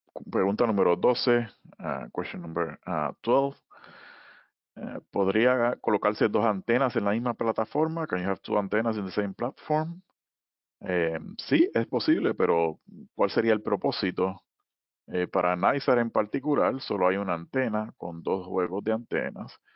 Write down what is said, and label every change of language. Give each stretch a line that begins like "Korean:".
Spanish: Pregunta número 12,
English: question number 12.
Spanish: ¿Podría colocarse dos antenas en la misma plataforma?
English: Can you have two antennas in the same platform?
Spanish: Sí, es posible, pero ¿cuál sería el propósito? Para NISAR en particular, solo hay una antena con dos juegos de antenas.